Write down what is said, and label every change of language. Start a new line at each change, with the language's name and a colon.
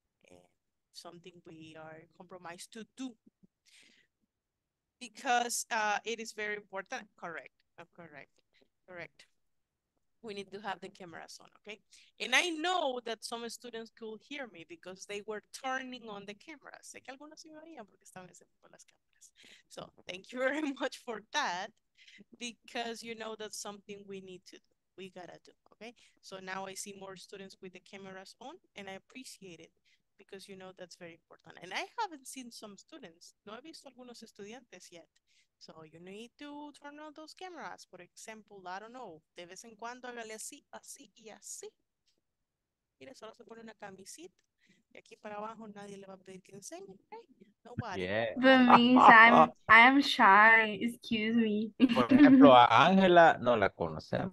English: And something we are compromised to do. Because it is very important. Correct. Oh, correct. Correct. We need to have the cameras on, okay? And I know that some students could hear me because they were turning on the cameras.
Spanish: Sé que algunos sí me oían porque estaban encendiendo con las cámaras.
English: So thank you very much for that, because you know that's something we need to do. We gotta do, okay? So now I see more students with the cameras on, and I appreciate it because you know that's very important. And I haven't seen some students.
Spanish: No he visto algunos estudiantes
English: yet. So you need to turn on those cameras. For example, I don't know.
Spanish: De vez en cuando hágale así, así y así. Mira, solo se pone una camisita. Y aquí para abajo nadie le va a pedir que enseñe.
English: Okay? Nobody. Yeah. But means I'm shy. Excuse me.
Spanish: Por ejemplo, a Ángela no la conocemos.